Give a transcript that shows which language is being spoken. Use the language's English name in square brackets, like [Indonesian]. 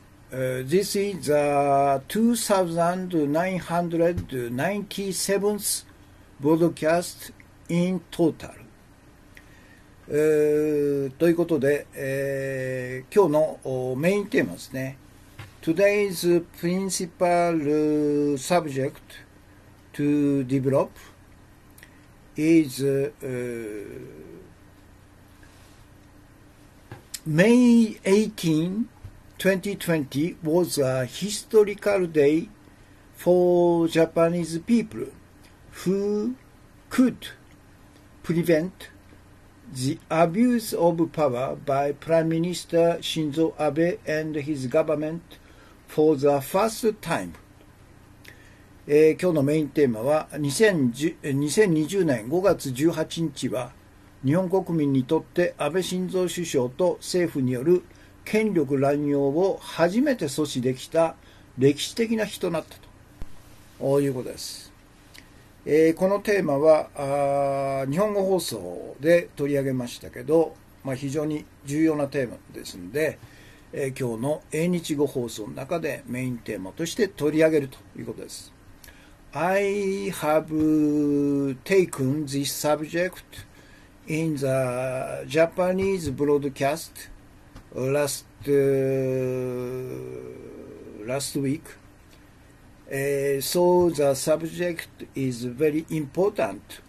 [English] This is the 2997th broadcast in total。 [Japanese] ということで、今日のメインテーマですね。 [English] Today's principal subject to developis May 18, 2020 was a historical day for Japanese people who could prevent the abuse of power by Prime Minister Shinzo Abe and his government for the first time。 [Japanese] 今日のメインテーマは2020年5月18日は日本国民にとって安倍晋三首相と政府による権力乱用を初めて阻止できた歴史的な日となったということです。このテーマは日本語放送で取り上げましたけど、まあ、非常に重要なテーマですので、今日の英日語放送の中でメインテーマとして取り上げるということです。 [English] I have taken this subject in the Japanese broadcast last week. So the subject is very important.